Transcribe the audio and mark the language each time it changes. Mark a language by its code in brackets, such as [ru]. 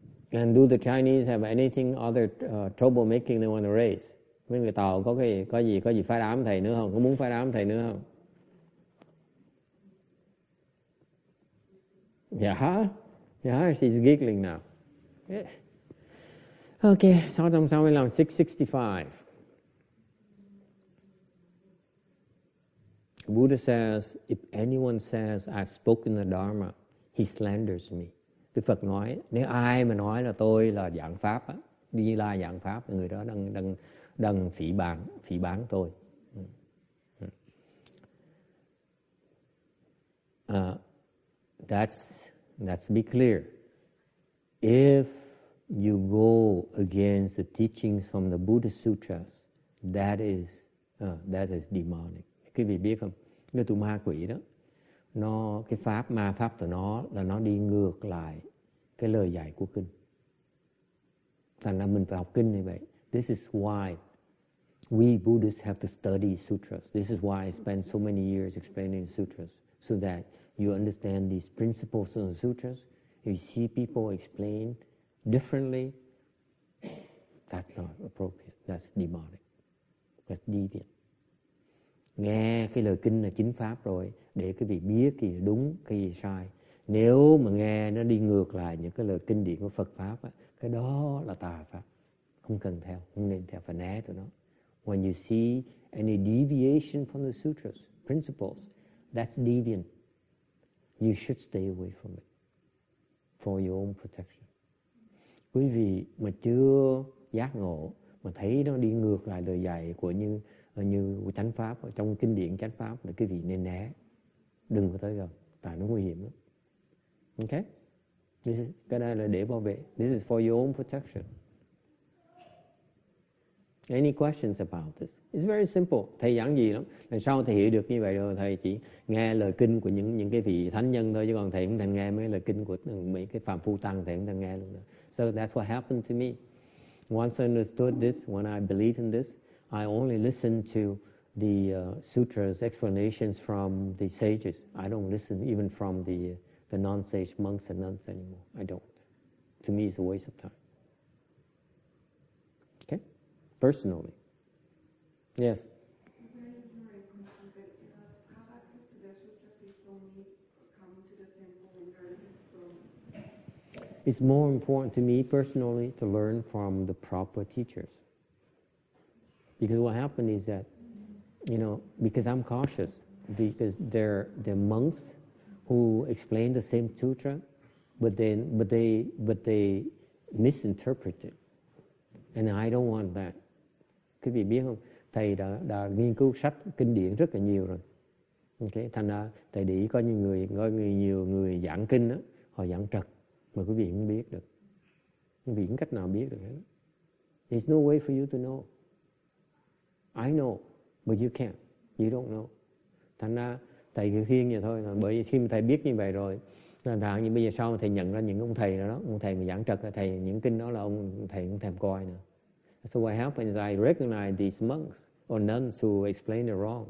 [en] And do the Chinese have anything other troublemaking they want to raise? [vi] Mấy người Tàu có cái có gì phá đám thầy nữa không? Có muốn phá đám thầy nữa không? [en] Yeah, she's giggling now. Yeah. Okay, so I'm somewhere along 665. Buddha says, if anyone says I've spoken the Dharma, he slanders me. [vi] Đức Phật nói, nếu ai mà nói là tôi là giảng pháp á, Như Lai giảng pháp, người đó đang phỉ báng tôi. [en] Let's be clear. If you go against the teachings from the Buddha sutras, that is demonic. [vi] Quý vị biết không? Cái tụi ma quỷ đó, nó cái pháp ma pháp của nó là nó đi ngược lại cái lời dạy của kinh. Thành ra mình phải học kinh như vậy. [en] This is why we Buddhists have to study sutras. This is why I spend so many years explaining sutras, so that you understand these principles of the sutras. If you see people explain differently, that's not appropriate. That's demonic. That's deviant. [vi] Nghe cái lời kinh là chính pháp rồi, để cái vị biết cái gì đúng, cái gì sai. Nếu mà nghe nó đi ngược lại những cái lời kinh điển của Phật pháp á, cái đó là tà pháp. Không cần theo, không nên theo, phải né tụi nó. [en] When you see any deviation from the sutras, principles, that's deviant. You should stay away from it for your own protection. [vi] Quý vị mà chưa giác ngộ mà thấy nó đi ngược lại lời dạy của như chánh pháp, trong kinh điển chánh pháp, thì quý vị nên né, đừng có tới gần, tại nó nguy hiểm lắm. [en] Okay? [vi] Cái này là để bảo vệ. [en] This is for your own protection. Any questions about this? It's very simple. [vi] Thầy giảng gì lắm. Lần sau thầy hiểu được như vậy rồi, thầy chỉ nghe lời kinh của những cái vị thánh nhân thôi, chứ còn thầy không thèm nghe mấy lời kinh của mấy cái phàm phu tăng, thầy không thèm nghe luôn. [en] So that's what happened to me. Once I understood this, when I believed in this, I only listened to the sutras, explanations from the sages. I don't listen even from the non-sage monks and nuns anymore. I don't. To me, it's a waste of time. Personally. Yes. It's more important to me personally to learn from the proper teachers. Because what happened is that, you know, because I'm cautious, because they're monks who explain the same sutra, but they misinterpret it. And I don't want that. [vi] Quý vị biết không, thầy đã nghiên cứu sách kinh điển rất là nhiều rồi. Okay. Thành ra thầy để ý có những người, có nhiều người giảng kinh đó, họ giảng trật, mà quý vị không biết được. Quý vị không cách nào biết được. [en] There's no way for you to know. I know, but you can't. You don't know. [vi] Thành ra thầy cứ khuyên vậy thôi. Bởi vì khi mà thầy biết như vậy rồi, thằng như bây giờ sau mà thầy nhận ra những ông thầy đó, ông thầy mà giảng trật, thầy những kinh đó là ông thầy cũng thèm coi nữa. [en] So what happened is I recognize these monks or nuns who explain it wrong.